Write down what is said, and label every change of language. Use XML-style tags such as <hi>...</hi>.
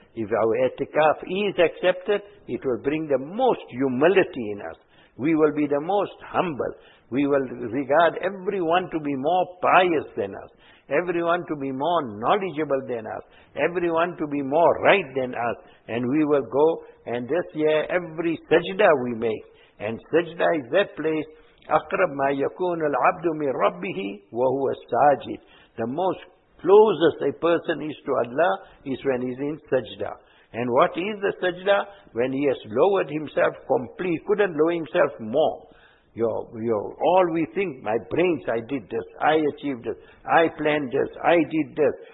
<en>If our i'tikaf is accepted, it will bring the most humility in us. We will be the most humble. We will regard everyone to be more pious than us. Everyone to be more knowledgeable than us. Everyone to be more right than us. And we will go, and this year, every sajda we make. And sajda is that place,</en> <ar>أَقْرَبْ مَا يَكُونُ الْعَبْدُ مِنْ رَبِّهِ وَهُوَ السَّاجِدِ.</ar> <en>The most closest a person is to Allah is when he's in sajda. And what is the sajda? When he has lowered himself completely, couldn't lower himself more. All we think, my brains, I did this, I achieved this, I planned this, I did this.</en>